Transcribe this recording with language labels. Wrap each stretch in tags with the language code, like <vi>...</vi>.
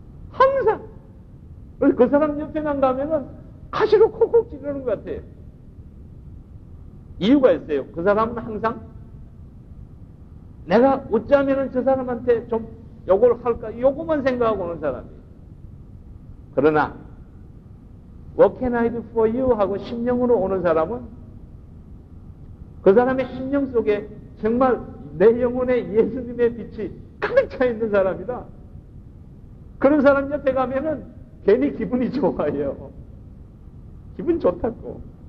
<ko>항상 그 사람 옆에만 가면은 가시로 콕콕 찌르는 것 같아요. 이유가 있어요. 그 사람은 항상 내가 어쩌면은 저 사람한테 좀 요걸 할까 요것만 생각하고 오는 사람이에요. 그러나</ko> <en>What can I do for you?</en> <ko>하고 심령으로 오는 사람은 그 사람의 심령 속에 정말 내 영혼의 예수님의 빛이 가득 차 있는 사람이다. 그런 사람 옆에 가면은 괜히 기분이 좋아요. 기분 좋다고.</ko>